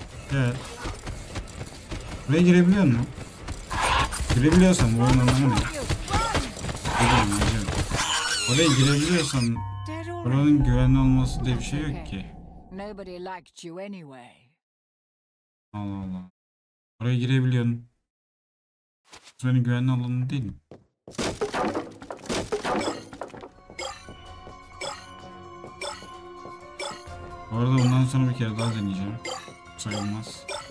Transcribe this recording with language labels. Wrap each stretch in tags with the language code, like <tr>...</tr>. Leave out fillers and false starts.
<tr>Gel. Buraya girebiliyor mu? Girebiliyorsan bu oyunun anlamı ne? Gidelim, gidelim. Oraya girebiliyorsan buranın güvenli olması diye bir şey yok ki.</tr> <en>Nobody liked you anyway.</en> <tr>Allah Allah. Oraya girebiliyorsun. Senin güvenli alanın değil mi? Bu arada bundan sonra bir kere daha deneyeceğim. Sayılmaz.</tr>